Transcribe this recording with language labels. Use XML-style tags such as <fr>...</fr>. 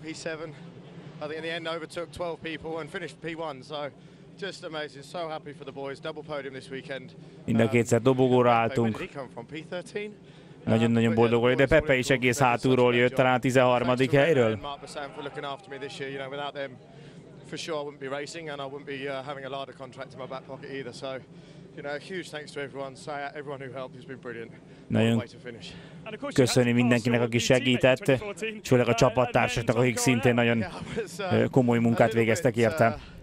<en>I think in the end overtook 12 people and finished P1, so just amazing, so happy for the boys, double podium this weekend.</en> <hu>Minden kétszer dobogóra álltunk. Nagyon-nagyon boldog vagyok, de Pepe is egész hátulról jött, talán a 13. helyről.</hu> <en>For sure I wouldn't be racing and I wouldn't be having a LADA contract in my back pocket either, so you know, huge thanks to everyone, Sayat, everyone who helped, he's been brilliant.</en> <hu>Nagyon köszönni mindenkinek, aki segített, és főleg a csapattársaknak, akik szintén nagyon komoly munkát végeztek érte.</hu>